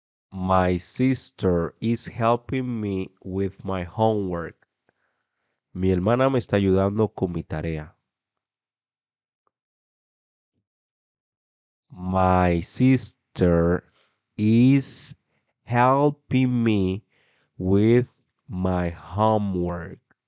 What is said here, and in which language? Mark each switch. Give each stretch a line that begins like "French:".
English: My sister is helping me with my homework.
Spanish: Mi hermana me está ayudando con mi tarea.
English: My sister is helping me with my homework.